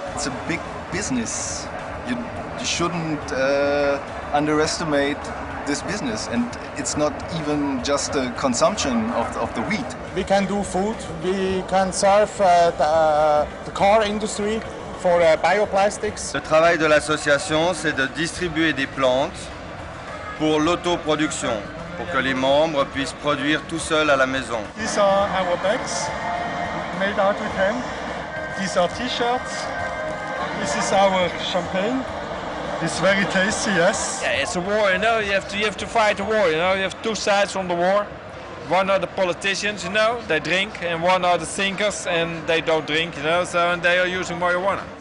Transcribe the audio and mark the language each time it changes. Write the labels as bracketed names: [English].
[English] It's a big business. You shouldn't underestimate this business. And it's not even just the consumption of the wheat. We can do food. We can serve the car industry for bioplastics. [French] Le travail de l'association, c'est de distribuer des plantes pour l'autoproduction, pour que les membres puissent produire tout seuls à la maison. [English] These are our bags made out of hemp. These are t-shirts, this is our champagne, it's very tasty, yes? Yeah, it's a war, you know, you have to fight a war, you know, you have two sides on the war. One are the politicians, you know, they drink, and one are the thinkers, and they don't drink, you know, so and they are using marijuana.